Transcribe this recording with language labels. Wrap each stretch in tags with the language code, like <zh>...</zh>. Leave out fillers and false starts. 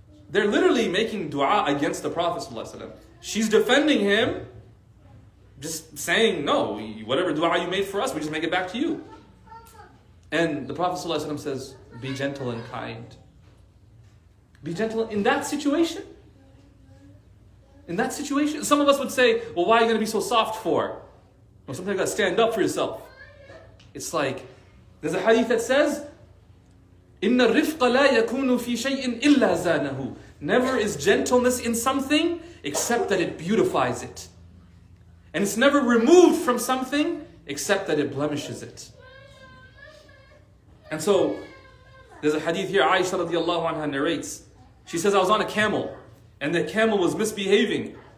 <en>They're literally making dua against the Prophet ﷺ. She's defending him, just saying, "No, whatever dua you made for us, we just make it back to you." And the Prophet ﷺ says, be gentle and kind. Be gentle in that situation. In that situation. Some of us would say, well, why are you going to be so soft for? Or something like that, stand up for yourself. It's like, there's a hadith that says,</en> <ar>إِنَّ الرِّفْقَ لَا يَكُونُ فِي شَيْءٍ إِلَّا زَانَهُ.</ar> <en>Never is gentleness in something except that it beautifies it. And it's never removed from something except that it blemishes it. And so, there's a hadith here, Aisha radiallahu anha narrates. She says, I was on a camel, and the camel was misbehaving.</en>